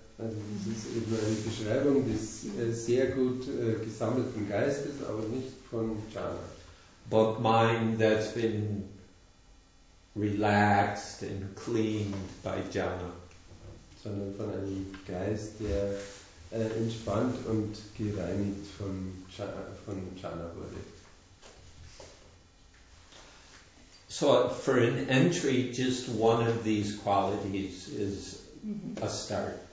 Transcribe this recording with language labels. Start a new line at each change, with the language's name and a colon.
German: Also das ist eben eine Beschreibung des sehr gut gesammelten Geistes, aber nicht von jhana.
English: But mind that's been relaxed and cleaned by jhana.
German: Sondern von einem Geist, der entspannt und gereinigt von jhana wurde.
English: So for an entry, just one of these qualities is a start.